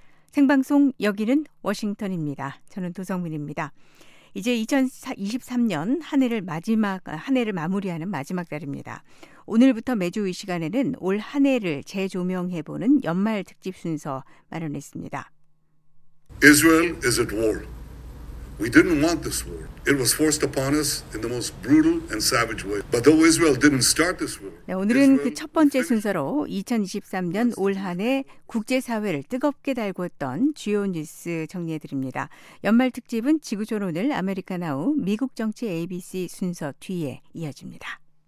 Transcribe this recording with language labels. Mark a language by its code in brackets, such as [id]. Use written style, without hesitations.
[ko] 생방송 여기는 워싱턴입니다. 저는 도성민입니다. 이제 2023년 한 해를 마무리하는 마지막 달입니다. 오늘부터 매주 이 시간에는 올 한 해를 재조명해보는 연말 특집 순서 마련했습니다. [en] Israel is at war. We didn't want this war. It was forced upon us in the most brutal and savage way. But though Israel didn't start this war. [ko] 네, 오늘은 그 첫 번째 순서로 2023년 올 한 해 국제사회를 뜨겁게 달구었던 주요 뉴스 정리해드립니다. 연말 특집은 지구촌 오늘 아메리카나우 미국 정치 ABC 순서 뒤에 이어집니다.